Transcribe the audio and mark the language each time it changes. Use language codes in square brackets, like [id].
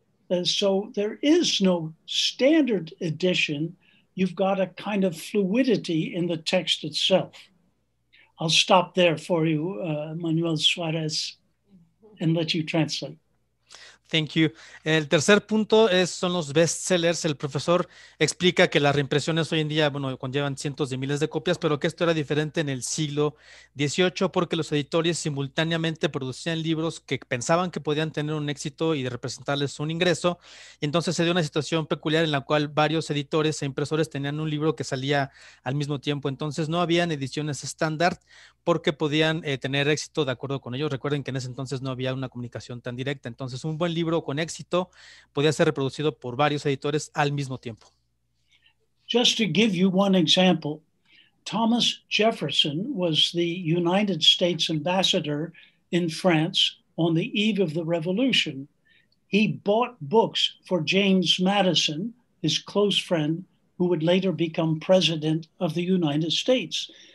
[en] And so there is no standard edition. You've got a kind of fluidity in the text itself. I'll stop there for you, Manuel Suarez, and let you translate. Thank you. [es] El tercer punto son los bestsellers. El profesor explica que las reimpresiones hoy en día, bueno, conllevan cientos de miles de copias, pero que esto era diferente en el siglo XVIII porque los editores simultáneamente producían libros que pensaban que podían tener un éxito y de representarles un ingreso. Entonces se dio una situación peculiar en la cual varios editores e impresores tenían un libro que salía al mismo tiempo. Entonces no habían ediciones estándar porque podían tener éxito de acuerdo con ellos. Recuerden que en ese entonces no había una comunicación tan directa. Entonces un buen libro con éxito podía ser reproducido por varios editores al mismo tiempo. [en] Just to give you one example, Thomas Jefferson was the United States ambassador in France on the eve of the Revolution. He bought books for James Madison, his close friend, who would later become president of the United States.